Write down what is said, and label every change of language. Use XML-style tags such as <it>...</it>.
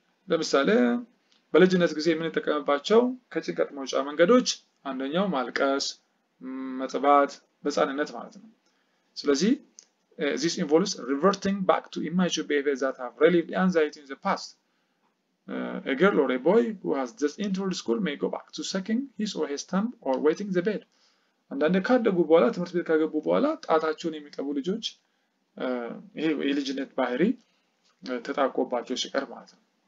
<am>ለምሳሌ በልጅነት ጊዜ የምንጠቀምባቸው ከጭንቀት መውጫ መንገዶች አንደኛው ማልቀስ፣ መጥባት በህፃንነት ማለት ነው። ስለዚህ</am> <en>this involves reverting back to immature behavior that have relieved anxiety in the past. A girl or a boy who has just entered school may go back to sucking his or his thumb or wetting the bed.</en> <am>አንዳንዴ ካደጉ በኋላ ትምህርት ቤት ካገቡ በኋላ ጣታቸውን የሚጠቡ ልጆች ይሄ የልጅነት ባህሪ ተጣቆባቸው ሲቀር ማለት ነው።</am>